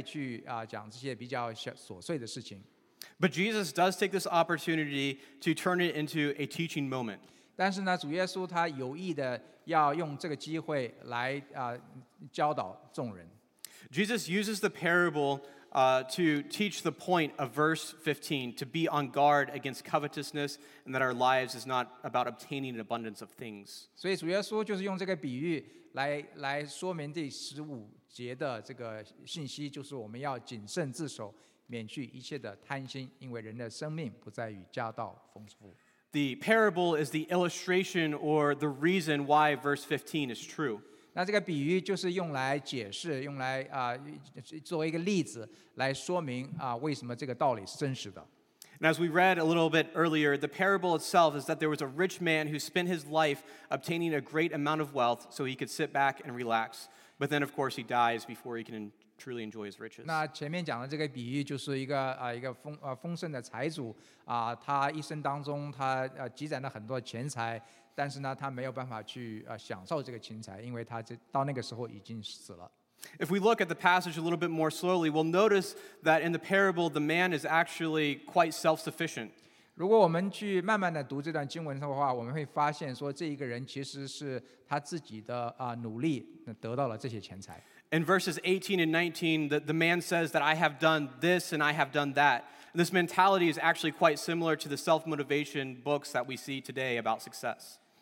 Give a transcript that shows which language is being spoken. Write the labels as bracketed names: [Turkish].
[Chinese] 那这个基本的信息就是说，主耶稣他会把他的时间放在他一个重要的事工上面，不太去讲这些比较琐碎的事情。 [English] But Jesus does take this opportunity to turn it into a teaching moment. [Chinese] 但是呢，主耶稣他有意的要用这个机会来教导众人。 [English] Jesus uses the parable to teach the point of verse 15, to be on guard against covetousness, and that our lives is not about obtaining an abundance of things. [Chinese] 所以主耶稣就是用这个比喻来说明第15节的这个信息，就是我们要谨慎自守，免去一切的贪心，因为人的生命不在于家道丰富。 [English] The parable is the illustration or the reason why verse 15 is true. [Chinese] 那这个比喻就是用来解释，用来作为一个例子来说明为什么这个道理是真实的。 [English] And as we read a little bit earlier, the parable itself is that there was a rich man who spent his life obtaining a great amount of wealth so he could sit back and relax. But then, of course, he dies before he can truly enjoy his riches. [Chinese] 那前面讲的这个比喻就是一个丰盛的财主，他一生当中他积攒了很多钱财。但是呢，他没有办法去享受这个钱财，因为他到那个时候已经死了。 [English] If we look at the passage a little bit more slowly, we'll notice that in the parable, the man is actually quite self-sufficient. [Chinese] 如果我们去慢慢的读这段经文的话，我们会发现说，这一个人其实是他自己的努力得到了这些钱财。 [English] In verses 18 and 19, the man says that I have done this and I have done that. This mentality is actually quite similar to the self-motivation books that we see today about success.